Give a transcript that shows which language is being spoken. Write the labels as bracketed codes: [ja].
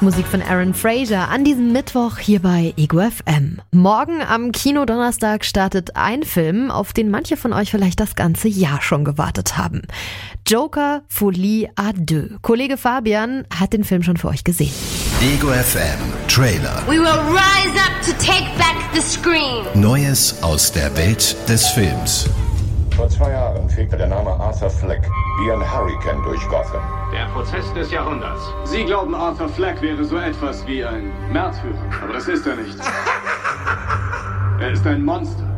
[de] Von Aaron Fraser an diesem Mittwoch hier bei Ego FM. Morgen am Kinodonnerstag startet ein Film, auf den manche von euch vielleicht das ganze Jahr schon gewartet haben. Joker Folie à deux. Kollege Fabian hat den Film schon für euch gesehen. Ego FM Trailer. [en] We will rise up to take back the screen. [de] Neues aus der Welt des Films. Vor 2 Jahren fegte der Name Arthur Fleck wie ein Hurrikan durch Gotham. Der Prozess des Jahrhunderts. Sie glauben, Arthur Fleck wäre so etwas wie ein Märtyrer, aber das ist er nicht. Er ist ein Monster.